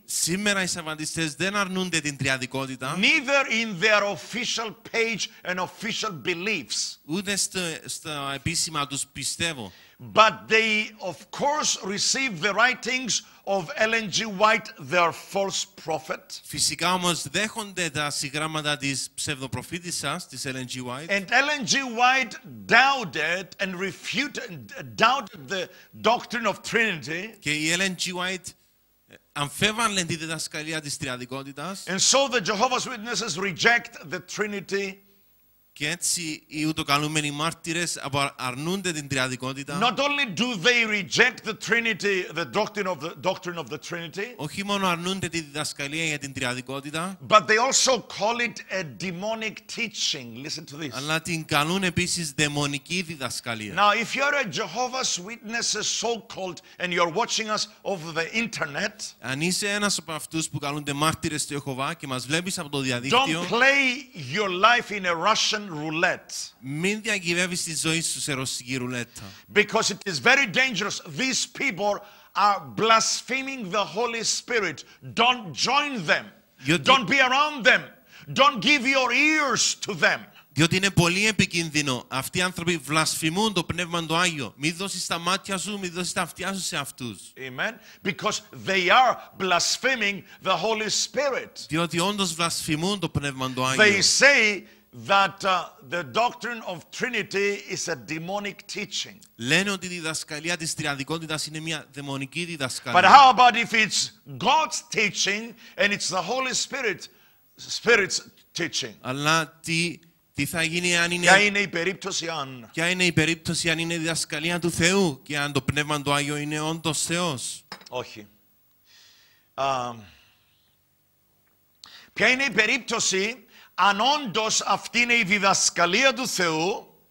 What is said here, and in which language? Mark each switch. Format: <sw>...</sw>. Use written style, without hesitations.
<el>Σήμερα οι Σαββατιστές δεν αρνούνται την Τριαδικότητα.</el> <en>Neither in their official page and official beliefs.</en> <el>Ούτε στα επίσημα τους πιστεύω.</el> <en>But they, of course, receive the writings of Ellen G. White, their false prophet.</en> <el>Φυσικά όμως δέχονται τα συγγράμματα της ψευδοπροφήτησας της Ellen G. White.</el> <en>And Ellen G. White doubted and refuted the doctrine of Trinity.</en> <el>Και η Ellen G. White αμφέβαλε τη διδασκαλία της Τριαδικότητας.</el> <en>And so the Jehovah's Witnesses reject the Trinity.</en> <el>Και έτσι οι ούτωκαλούμενοι μάρτυρες αρνούνται την Τριαδικότητα.</el> <en>Not only do they reject the Trinity, the doctrine of the Trinity.</en> <el>Όχι μόνο αρνούνται τη διδασκαλία για την Τριαδικότητα.</el> <en>But they also call it a demonic teaching. Listen to this.</en> <el>Αλλά την καλούν επίσης δαιμονική διδασκαλία.</el> <en>Now, if you're a Jehovah's Witness, so-called, and you're watching us over the internet.</en> <el>Αν είσαι ένας από αυτούς που καλούνται μάρτυρες του Ιεχωβά και μας βλέπεις από το διαδίκτυο.</el> <en>Don't play your life in a rush.</en> <el>Μην διακυβεύεις τη ζωή σου σε ρωσική ρουλέτα.</el> <en>Because it is very dangerous. These people are blaspheming the Holy Spirit. Don't join them. Don't be around them. Don't give your ears to them.</en> <el>Διότι είναι πολύ επικίνδυνο. Αυτοί οι άνθρωποι βλασφημούν το Πνεύμα το Άγιο. Μη δώσεις τα μάτια σου, μη δώσεις τα αυτιά σου σε αυτούς.</el> <en>Amen. Because they are blaspheming the Holy Spirit.</en> <el>Διότι όντως βλασφημούν το Πνεύμα το Άγιο.</el> <en>They say that the doctrine of Trinity is a demonic teaching.</en> <el>Λένε ότι η διδασκαλία της Τριαδικότητας είναι μια δαιμονική διδασκαλία.</el> <en>But how about if it's God's teaching and it's the Holy Spirit's teaching?</en> <el>Αλλά τι θα γίνει αν είναι? Ποια είναι η περίπτωση αν? Ποια είναι η περίπτωση αν είναι διδασκαλία του Θεού και αν το Πνεύμα του Άγιο είναι όντως Θεός? Όχι. Ποια είναι η περίπτωση αν όντως αυτή είναι η διδασκαλία του Θεού?</el>